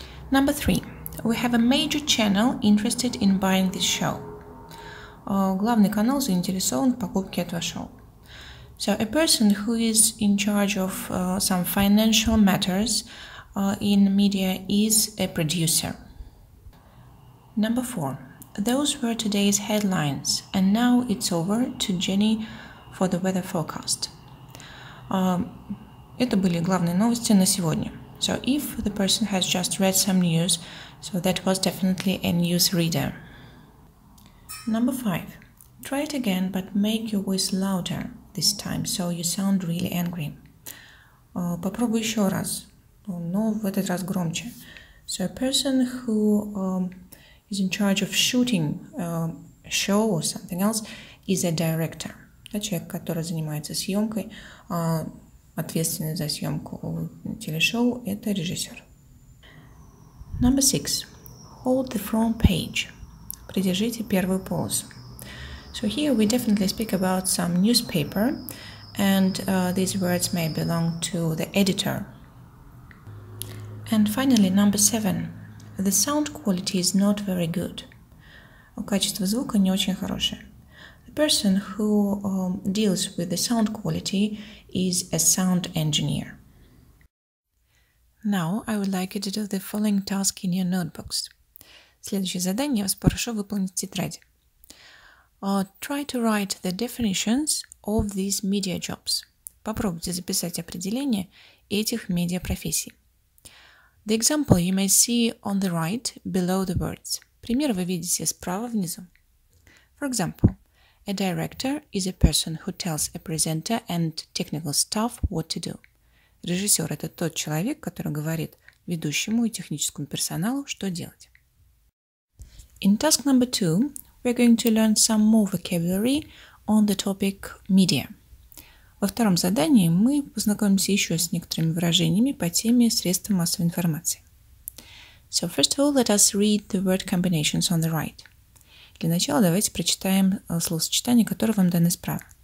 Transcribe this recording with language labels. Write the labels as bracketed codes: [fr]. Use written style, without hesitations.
[en] Number three. We have a major channel interested in buying this show. [ru] Главный канал заинтересован в покупке этого шоу. [en] So, a person who is in charge of some financial matters in media is a producer. Number four. Those were today's headlines, and now it's over to Jenny for the weather forecast. [ru] Это были главные новости на сегодня. [en] So, if the person has just read some news, so that was definitely a news reader. Number five. Try it again, but make your voice louder. This time, so you sound really angry. [ru] Попробуй еще раз, но в этот раз громче. [en] So a person who is in charge of shooting a show or something else is a director. [ru] Да, человек, который занимается съемкой, ответственный за съемку телешоу, это режиссер. [en] Number six. Hold the front page. [ru] Придержите первую полосу. [en] So here we definitely speak about some newspaper, and these words may belong to the editor. And finally, number seven. The sound quality is not very good. [ru] Качество звука не очень хорошее. [en] The person who deals with the sound quality is a sound engineer. Now I would like you to do the following task in your notebooks. [ru] Следующее задание я вас прошу выполнить в тетради. [en] Try to write the definitions of these media jobs. [ru] Попробуйте записать определение этих медиапрофессий. [en] The example you may see on the right below the words. [ru] Пример вы видите справа внизу. [en] For example, a director is a person who tells a presenter and technical staff what to do. [ru] Режиссер – это тот человек, который говорит ведущему и техническому персоналу, что делать. [en] In task number two, we're going to learn some more vocabulary on the topic media. [ru] Во втором задании мы познакомимся еще с некоторыми выражениями по теме средств массовой информации. [en] So first of all, let us read the word combinations on the right. [ru] Для начала давайте прочитаем словосочетания, которые вам даны справа.